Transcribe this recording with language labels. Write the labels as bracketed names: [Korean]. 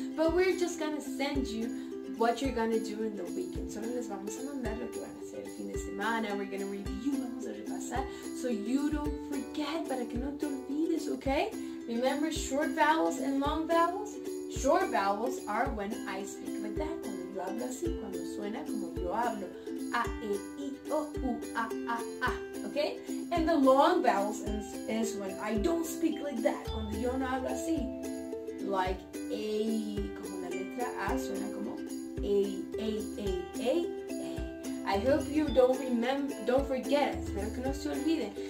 [English] But we're just gonna send you what you're gonna do in the weekend. [Spanish] Solo les vamos a mandar lo que van a hacer el fin de semana. [English] We're gonna review, [Spanish] vamos a repasar. [English] So you don't forget, [Spanish] para que no te olvides, [English] okay? Remember short vowels and long vowels? Short vowels are when I speak like that. [Spanish] Cuando yo hablo así, cuando suena como yo hablo. [English] A, E, I, O, U, A, A, A. Okay? And the long vowels is when I don't speak like that. [Spanish] Cuando yo no hablo así. [English] Like A, [Spanish] como la letra A suena como A, A, A, A, A. [English] I hope you don't forget. [Spanish] Espero que no se olviden.